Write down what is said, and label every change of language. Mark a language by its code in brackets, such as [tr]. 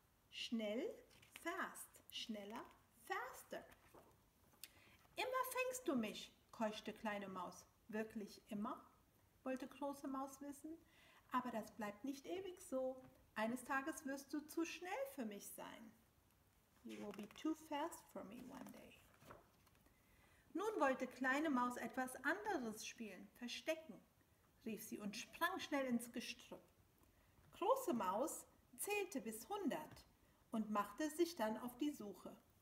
[de] Schnell, [en] fast, [de] schneller, [en] faster. [de] Immer fängst du mich, keuchte kleine Maus. Wirklich immer? Wollte große Maus wissen. Aber das bleibt nicht ewig so. Eines Tages wirst du zu schnell für mich sein. [en] You will be too fast for me one day. [de] Nun wollte kleine Maus etwas anderes spielen, verstecken, rief sie und sprang schnell ins Gestrüpp. Große Maus zählte bis 100 und machte sich dann auf die Suche.